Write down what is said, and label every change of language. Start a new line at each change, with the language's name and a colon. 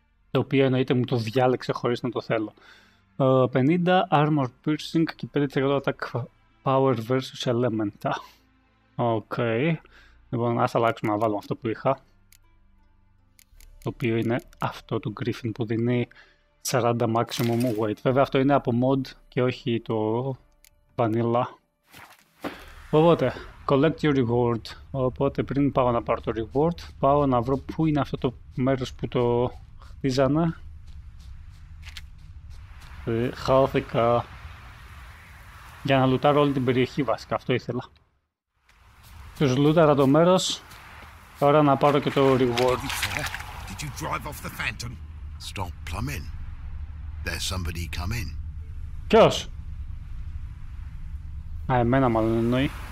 Greek: Το οποίο εννοείται μου το διάλεξε χωρίς να το θέλω. 50 armor piercing και 5% attack power versus elemental. Okay. Λοιπόν, ας αλλάξουμε να βάλουμε αυτό που είχα. Το οποίο είναι αυτό του Griffin που δίνει 40 maximum weight. Βέβαια αυτό είναι από mod και όχι το vanilla. Οπότε,
English: collect your reward.
Greek: Οπότε πριν πάω να πάρω το reward, πάω να βρω πού είναι αυτό το μέρος που το χτίζανε. Χάθηκα. Για να λουτάρω όλη την περιοχή βασικά, αυτό ήθελα. Τους λούταρα το μέρος. Τώρα να πάρω και το reward.
English: Did you drive off the phantom? Stop plumbing. There's somebody come in.
Greek: Ποιος? Α, εμένα μάλλον εννοεί.